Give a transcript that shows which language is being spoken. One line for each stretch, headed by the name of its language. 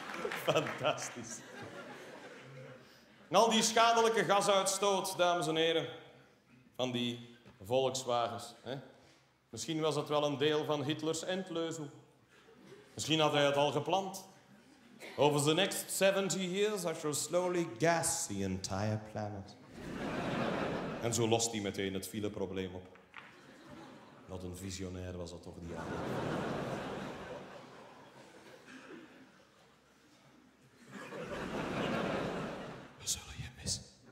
Dutch: Fantastisch. En al die schadelijke gasuitstoot, dames en heren, van die Volkswagens. Hè? Misschien was dat wel een deel van Hitlers endleuzel. Misschien had hij het al gepland.
English: Over the next 70 years, I shall slowly gas the entire planet.
Dutch: En zo lost hij meteen het fileprobleem op. Wat een visionair was dat toch, die jaren. We zullen je missen.